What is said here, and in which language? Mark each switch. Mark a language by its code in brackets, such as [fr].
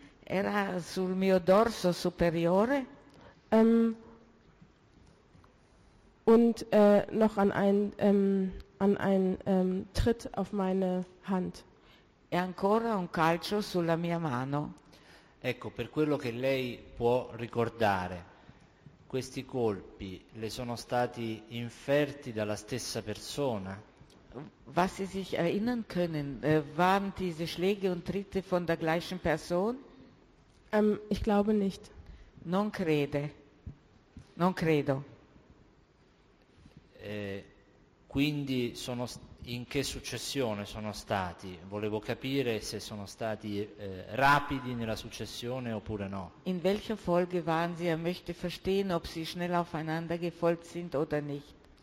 [it] Era sul mio dorso superiore. [de] Und noch an einen Tritt auf meine Hand. [it] E ancora un calcio sulla mia mano. Ecco, per quello che lei può ricordare, questi colpi le sono stati inferti dalla stessa persona? [de] Was Sie sich erinnern können, waren diese Schläge und Tritte von der gleichen Person? Ich glaube nicht. [it] Non crede. Non credo. Quindi sono in che successione sono stati? Volevo capire se sono stati rapidi nella successione oppure no. [de] In welcher Folge waren Sie? Er möchte verstehen, ob Sie schnell aufeinander gefolgt sind oder nicht.